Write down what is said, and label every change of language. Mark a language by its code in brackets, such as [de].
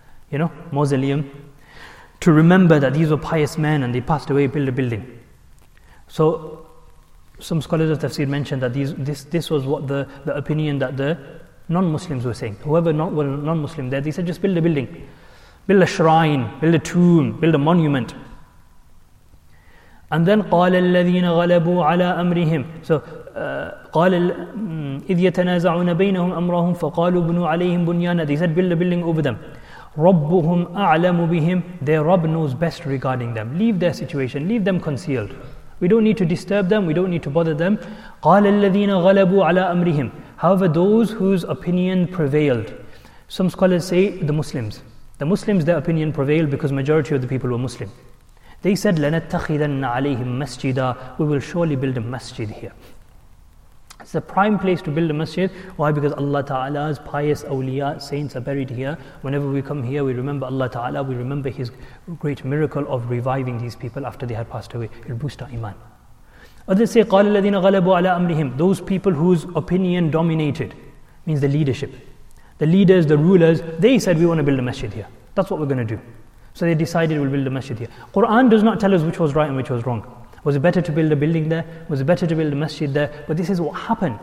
[en] You know, mausoleum, to remember that these were pious men and they passed away, build a building. So some scholars of tafsir mentioned that this was what the opinion that the non-Muslims were saying. Whoever were non-Muslim there, they said, just build a building. Build a shrine, build a tomb, build a monument. And then [ar] قَالَ الَّذِينَ غَلَبُوا عَلَىٰ أَمْرِهِمْ. So قَالَ إِذْ يَتَنَازَعُونَ بَيْنَهُمْ أَمْرَهُمْ فَقَالُوا بُنُوا عَلَيْهِمْ بُنْيَانًا. [en] They said, build a building over them. [ar] رَبُّهُمْ أَعْلَمُ بِهِمْ. [en] Their Rabb knows best regarding them. Leave their situation, leave them concealed. We don't need to disturb them, we don't need to bother them. [ar] قَالَ الَّذِينَ غَلَبُوا عَلَىٰ أَمْرِهِمْ. [en] However, those whose opinion prevailed. Some scholars say the Muslims. The Muslims, their opinion prevailed because majority of the people were Muslim. They said, [ar] لَنَتَّخِذَنَّ عَلَيْهِمْ مَسْجِدًا. [en] We will surely build a masjid here. It's the prime place to build a masjid. Why? Because Allah Ta'ala's pious awliya, saints, are buried here. Whenever we come here, we remember Allah Ta'ala, we remember His great miracle of reviving these people after they had passed away. It'll boost our iman. Others say, [ar] قَالَ الَّذِينَ غَلَبُوا عَلَىٰ أَمْرِهِمْ. [en] Those people whose opinion dominated, means the leadership. The leaders, the rulers, they said, we want to build a masjid here. That's what we're going to do. So they decided we'll build a masjid here. Quran does not tell us which was right and which was wrong. Was it better to build a building there? Was it better to build a masjid there? But this is what happened.